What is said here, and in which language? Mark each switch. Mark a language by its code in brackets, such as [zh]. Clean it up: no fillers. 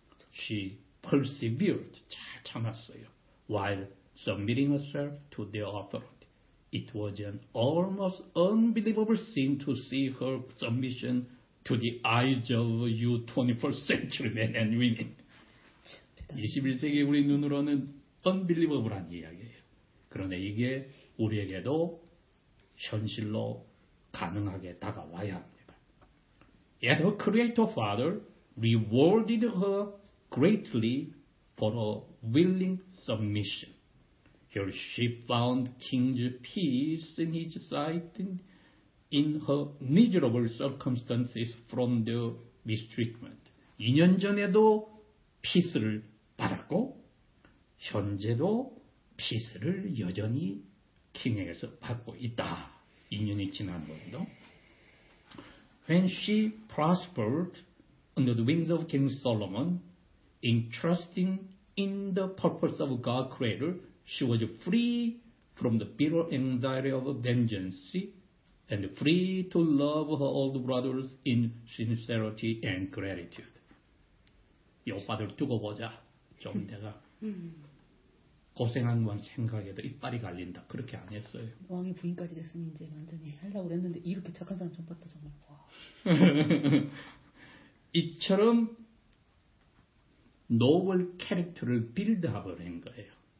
[en] She persevered, [ko] 잘 참았어요, [en] while submitting herself to their authority. It was an almost unbelievable scene to see her submission to the eyes of you 21st century men and women. [ko] 21세기 우리 눈으로는 unbelievable한 이야기예요. 그러나 이게 우리에게도 현실로 가능하게 다가와야 합니다. [en] Yet her creator father rewarded her greatly for her willing submission. Here she found king's peace in his sight and in her miserable circumstances from the mistreatment. [ko] 2년 전에도 peace를 받았고 현재도 peace를 여전히 king에게서 받고 있다. 2년이 지난 것도. [en] When she prospered under the wings of King Solomon, in trusting in the purpose of God's creator, she was free from the bitter anxiety of vengeance and free to love her older brothers in sincerity and gratitude. [ko] 이 오빠들 두고 보자. 좀 내가 고생한 건 생각해도 이빨이 갈린다. 그렇게 안 했어요. 왕의 부인까지 됐으니 이제 완전히 하려고 그랬는데 이렇게 착한 사람 처음 봤다 정말. 와. 이처럼 노블 캐릭터를 빌드업을 한 거예요.